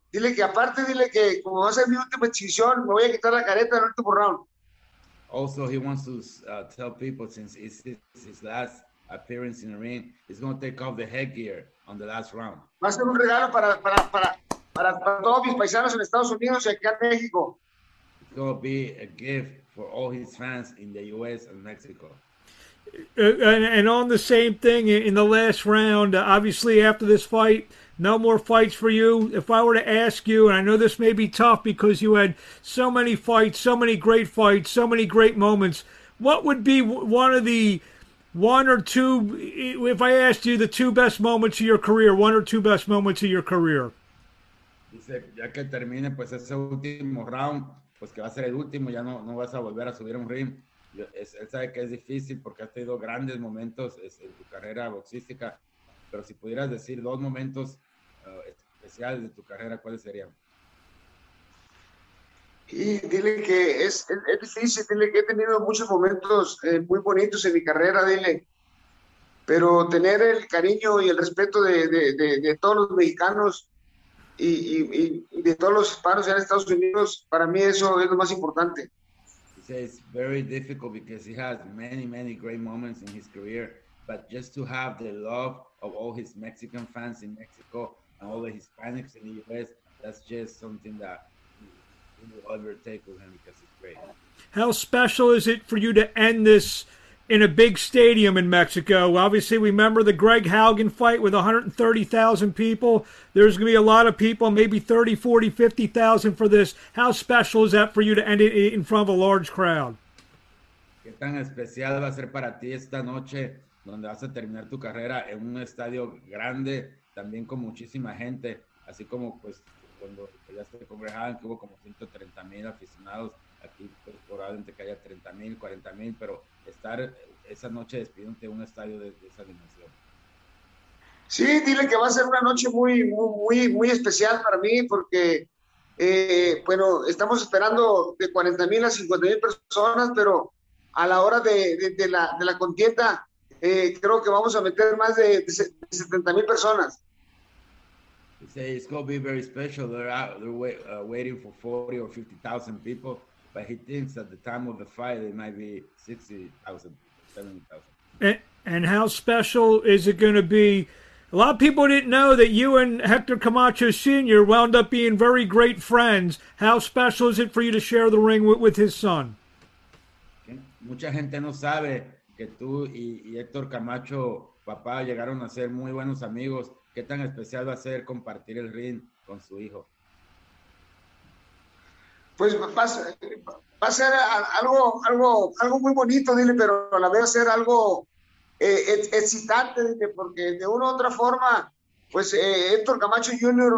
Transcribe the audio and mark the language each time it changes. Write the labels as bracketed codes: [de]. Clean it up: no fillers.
[es] Dile que como va a ser mi última exhibición, me voy a quitar la careta en el último round. [en] Also, he wants to tell people, since it's his last appearance in the ring, he's going to take off the headgear on the last round. [es] Va a ser un regalo para todos mis paisanos en Estados Unidos y acá en México. [en] It's going to be a gift for all his fans in the U.S. and Mexico. And on the same thing, in the last round, obviously after this fight, no more fights for you. If I were to ask you, and I know this may be tough because you had so many fights, so many great fights, so many great moments, what would be one or two, if I asked you the two best moments of your career, one or two best moments of your career? [es] Ya que termine, pues ese último round, pues que va a ser el último, ya no vas a volver a subir a un ring. Él sabe que es difícil porque has tenido grandes momentos en tu carrera boxística, pero si pudieras decir dos momentos especiales de tu carrera, ¿cuáles serían? Y dile que es difícil, dile que he tenido muchos momentos muy bonitos en mi carrera, dile, pero tener el cariño y el respeto de todos los mexicanos y de todos los hispanos en Estados Unidos, para mí eso es lo más importante. [en] It's very difficult because he has many, many great moments in his career, but just to have the love of all his Mexican fans in Mexico and all the Hispanics in the U.S., that's just something that we will overtake with him because it's great. How special is it for you to end this in a big stadium in Mexico? Obviously, we remember the Greg Haugen fight with 130,000 people. There's going to be a lot of people, maybe 30, 40, 50,000 for this. How special is that for you to end it in front of a large crowd? [es] ¿Qué tan especial va a ser para ti esta noche donde vas a terminar tu carrera en un estadio grande, también con muchísima gente, así como pues cuando peleaste con Greg Haugen, que hubo como 130 mil aficionados? Aquí pues, probablemente que haya 30 mil, 40 mil, pero estar esa noche despidiéndote de un estadio de esa dimensión. Sí, dile que va a ser una noche muy, muy, muy, muy especial para mí, porque, bueno, estamos esperando de 40 mil a 50 mil personas, pero a la hora de la contienda, creo que vamos a meter más de 70 mil personas. [en] Say it's going to be very special. They're waiting for 40 or 50,000 people. But he thinks at the time of the fight, it might be 60,000, 70,000. And how special is it going to be? A lot of people didn't know that you and Hector Camacho Sr. wound up being very great friends. How special is it for you to share the ring with his son? [es] Mucha gente no sabe que tú y Hector Camacho, papá, llegaron a ser muy buenos amigos. ¿Qué tan especial va a ser compartir el ring con su hijo? Pues va a ser algo muy bonito, dile, pero a la vez va a ser algo excitante, dile, porque de una u otra forma, pues Héctor Camacho Jr.